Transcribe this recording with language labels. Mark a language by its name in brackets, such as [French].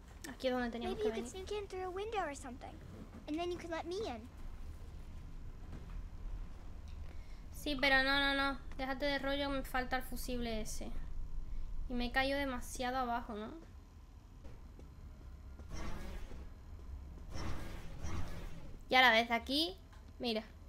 [Spanish] Aquí es donde teníamos que venir. [English] Maybe you could sneak in through a window or something, and then you could let me in. [Spanish] Sí, pero no, no, no. Déjate de rollo, me falta el fusible ese. Y me caigo demasiado abajo, ¿no? Y ahora desde aquí, mira.